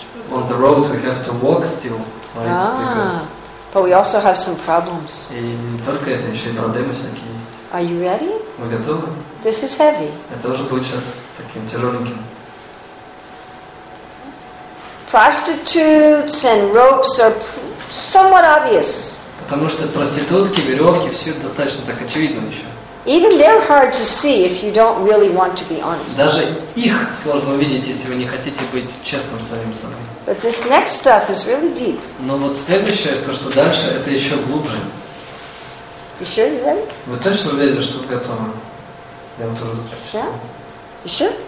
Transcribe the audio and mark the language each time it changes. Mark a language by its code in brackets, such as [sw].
[en] On the road, we have to walk still, right? But we also have some problems. [ru] И не только это, еще и проблемы всякие есть. [en] Are you ready? [ru] Мы готовы? [en] This is heavy. [ru] Это уже будет сейчас таким тяжеленьким. [en] Prostitutes and ropes are somewhat obvious. [ru] Потому что проститутки, веревки, все достаточно так очевидно еще. [en] Even they're hard to see if you don't really want to be honest. [ru] Даже их сложно увидеть, если вы не хотите быть честным с самим собой. [en] But this next stuff is really deep. [ru] Но вот следующее, то что дальше, это еще глубже. [en] You sure you're ready? [ru] Вы точно уверены, что готовы? Я вам тоже. [en] Yeah? You sure?